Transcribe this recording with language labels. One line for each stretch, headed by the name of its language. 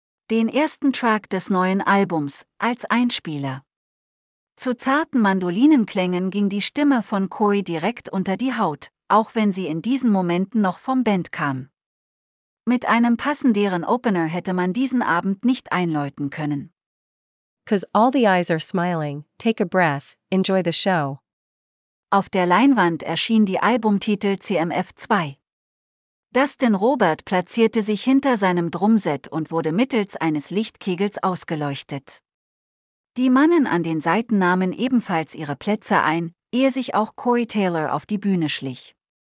German: Den ersten Track des neuen Albums, als Einspieler. Zu zarten Mandolinenklängen ging die Stimme von Corey direkt unter die Haut, auch wenn sie in diesen Momenten noch vom Band kam. Mit einem passenderen Opener hätte man diesen Abend nicht einläuten können.
English: 'Cause all the eyes are smiling, take a breath, enjoy the show.
German: Auf der Leinwand erschien die Albumtitel CMF2. Dustin Robert platzierte sich hinter seinem Drumset und wurde mittels eines Lichtkegels ausgeleuchtet. Die Mannen an den Seiten nahmen ebenfalls ihre Plätze ein, ehe sich auch Corey Taylor auf die Bühne schlich.